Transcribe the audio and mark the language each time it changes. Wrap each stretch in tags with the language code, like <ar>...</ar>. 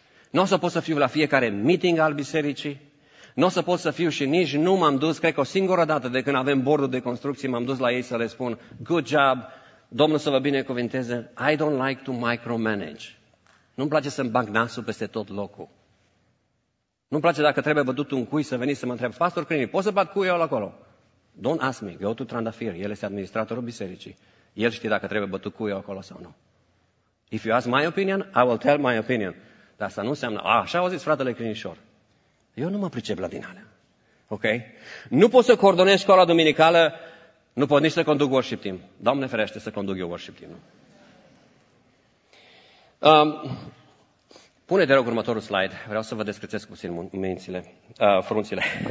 <ro>Nu o să pot să fiu la fiecare meeting al bisericii. Nu o să pot să fiu și nici nu m-am dus, cred că o singură dată de când avem bordul de construcții, m-am dus la ei să le spun,</ro> <en>good job,</en> <ro>Domnul să vă binecuvinteze,</ro> <en>I don't like to micromanage.</en> <ro>Nu-mi place să-mi bag nasul peste tot locul. Nu-mi place dacă trebuie bătut un cui să veni să mă întreb, pastor Crini, poți să bat cuiul acolo?</ro> <en>Don't ask me, go to Trandafir,</en> <ro>el este administratorul bisericii. El știe dacă trebuie bătut cuiul acolo sau nu.</ro> <en>If you ask my opinion, I will tell my opinion.</en> <ro>Dar asta nu înseamnă, așa au zis fratele Crinișor. Eu nu mă pricep la din alea. Ok? Nu pot să coordonez școala duminicală, nu pot nici să conduc worship team. Doamne ferește să conduc eu worship team. Pune, te rog, următorul slide. Vreau să vă descrețesc puțin mințile, frunțile.</ro>